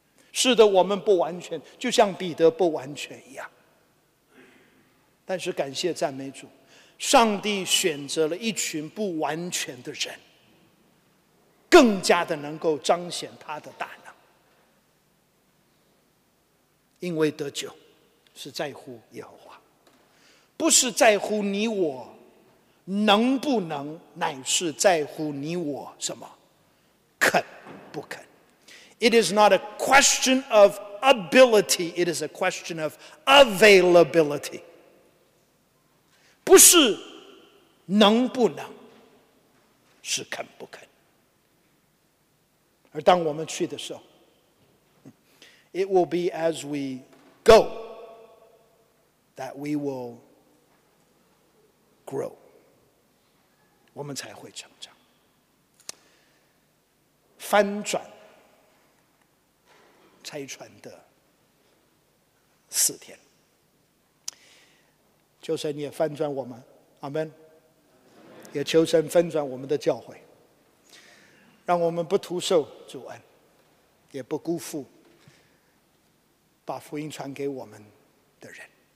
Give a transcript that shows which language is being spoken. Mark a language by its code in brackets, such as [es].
[zh] 是的，我们不完全，就像彼得不完全一样，但是感谢赞美主，上帝选择了一群不完全的人，更加的能够彰显他的大能。因为得救是在乎耶和华，不是在乎你我能不能，乃是在乎你我什么肯不肯。 [en] It is not a question of ability, it is a question of availability. [zh] 不是能不能，是肯不肯。而当我们去的时候， [en] It will be as we go that we will grow. [zh] 我们才会成长。翻转拆船的四天，求神也翻转我们，阿们，也求神翻转我们的教会，让我们不徒受主恩，也不辜负把福音传给我们的人。